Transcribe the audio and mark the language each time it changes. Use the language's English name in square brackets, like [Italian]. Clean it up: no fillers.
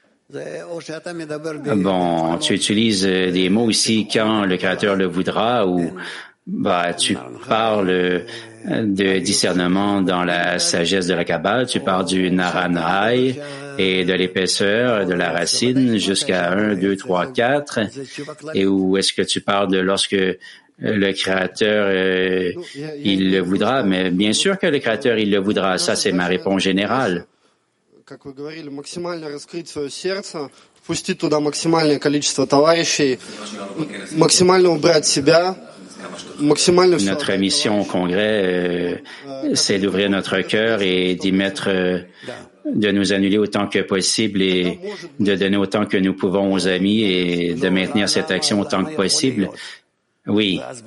[French] Bon, tu utilises des mots ici quand le Créateur le voudra ou bah, tu parles de discernement dans la sagesse de la Kabbale, tu parles du Naranai et de l'épaisseur de la racine jusqu'à 1, 2, 3, 4 et où est-ce que tu parles de lorsque le Créateur, il le voudra, mais bien sûr que le Créateur, il le voudra, ça c'est ma réponse générale. [Russian] Как вы говорили, максимально раскрыть свое сердце, впустить туда максимальное количество товарищей, максимально убрать себя, максимально все. [French] Notre mission au congrès, c'est d'ouvrir notre cœur et d'y mettre, de nous annuler autant que possible et de donner autant que nous pouvons aux amis et de maintenir cette action autant que possible. Oui.